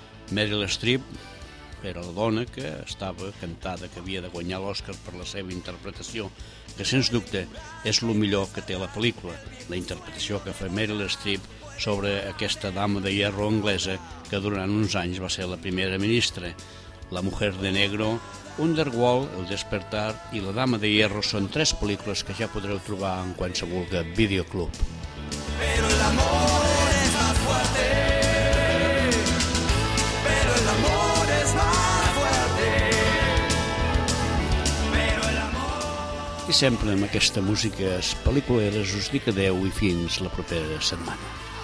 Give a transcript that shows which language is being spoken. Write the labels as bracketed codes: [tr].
[ca] Meryl Streep era la dona que estava cantada, que havia de guanyar l'Oscar per la seva interpretació, que sens dubte és el millor que té la pel·lícula, la interpretació que fa Meryl Streep sobre aquesta dama de hierro anglesa que durant uns anys va ser la primera ministra. La Mujer de Negro, Underworld, El despertar i La dama de hierro són tres pel·lícules que ja podreu trobar en qualsevol videoclub. [es] Pero el amor es más fuerte. Pero el amor es más fuerte. Pero el amor. [ca] I sempre amb aquesta música es pel·lícules us dic adeu i fins la propera setmana.